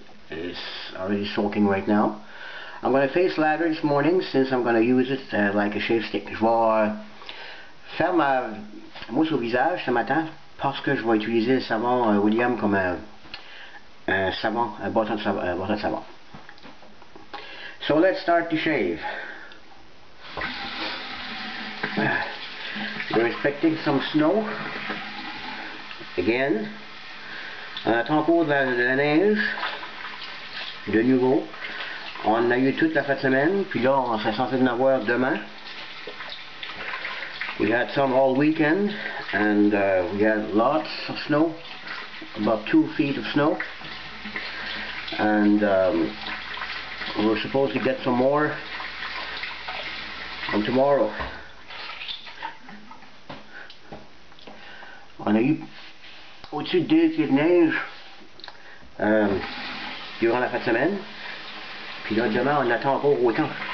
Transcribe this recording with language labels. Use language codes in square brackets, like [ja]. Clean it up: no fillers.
[en] It's already soaking right now. I'm going to face lather this morning since I'm going to use it like a shave stick. [fr] Je vais faire ma mousse au visage ce matin parce que je vais utiliser le savon William comme un bâton de savon. [en] So let's start the shave. We're expecting some snow again. [fr] On attend encore de la neige. De nouveau, on a eu toute la fin de semaine, puis là, on s'est censé en avoir demain. [en] We had some all weekend, and we had lots of snow, about 2 feet of snow. And we're supposed to get some more on tomorrow. [fr] On a eu au-dessus de 2 pieds de neige. Durant la fin de semaine, puis là demain on attend encore autant.